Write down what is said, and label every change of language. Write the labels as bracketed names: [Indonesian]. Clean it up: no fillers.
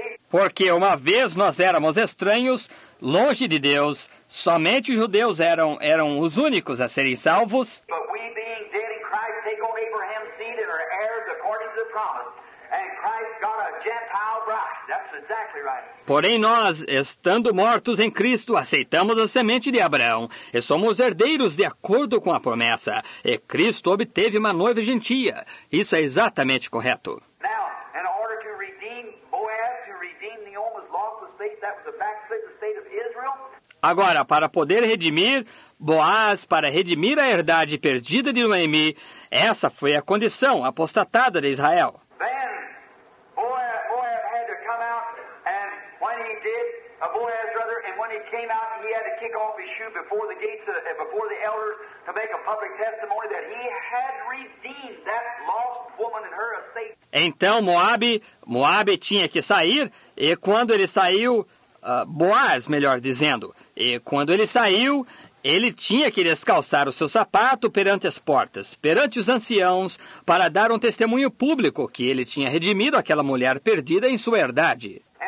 [Portuguese] Porque uma vez nós éramos estranhos, longe de Deus, somente os judeus eram os únicos a serem salvos. [English] But we being dead in Christ take on Abraham's seed and are heirs according to the promised, and Christ got a Gentile bride. That's exactly right. [Portuguese] Porém nós, estando mortos em Cristo, aceitamos a semente de Abraão, e somos herdeiros de acordo com a promessa, e Cristo obteve uma noiva gentia. Isso é exatamente correto. [English] Now, in order to redeem Boaz, to redeem Naomi's lost estate, that was a backslidden state of Israel. [Portuguese] Agora, para poder redimir Boaz, para redimir a herdade perdida de Noemi, essa foi a condição apostatada de Israel. [English] Then, Boaz had to come out, and when he did, Boaz rather, and when he came out, he had to kick off his shoe before the gates, before the elders, to make a public testimony that he had redeemed that lost woman and her estate. [Portuguese] Então, Moab tinha que sair, e quando ele saiu, Boaz, melhor dizendo, e quando ele saiu, ele tinha que descalçar o seu sapato perante as portas, perante os anciãos, para dar um testemunho público que ele tinha redimido aquela mulher perdida em sua herdade.